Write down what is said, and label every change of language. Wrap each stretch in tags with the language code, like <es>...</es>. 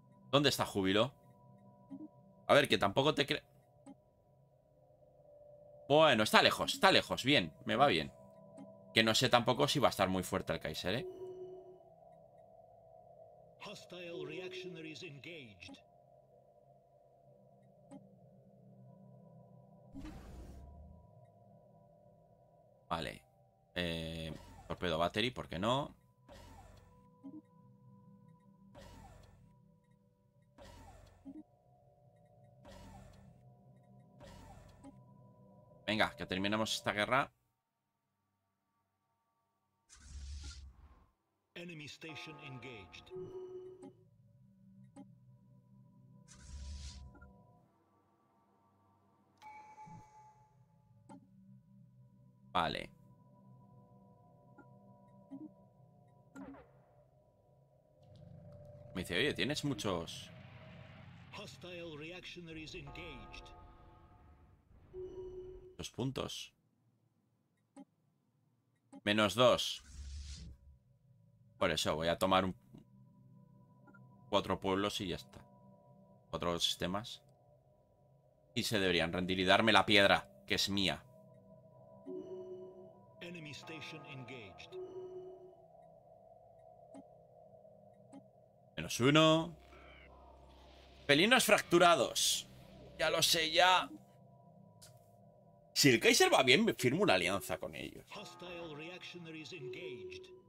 <es>¿Dónde está Júbilo? A ver, que tampoco te creo. Bueno, está lejos, está lejos. Bien, me va bien. Que no sé tampoco si va a estar muy fuerte el Kaiser, ¿eh?</es> <en>Hostile reactionaries engaged.</en> <es>Vale.</es> <en>Torpedo battery,</en> <es>¿por qué no? Venga, que terminemos esta guerra.</es> <en>Enemy station engaged.</en> <es>Vale. Me dice, oye, tienes muchos.</es> <en>Hostile reactionaries engaged.</en> <es>Los puntos. Menos dos. Por eso voy a tomar un... cuatro pueblos y ya está. Cuatro sistemas. Y se deberían rendir y darme la piedra, que es mía.</es> <en>Enemy station engaged.</en> <es>Menos uno. Felinos fracturados. Ya lo sé, ya. Si el Kaiser va bien, me firmo una alianza con ellos.</es> <en>Hostile reactionaries engaged.</en>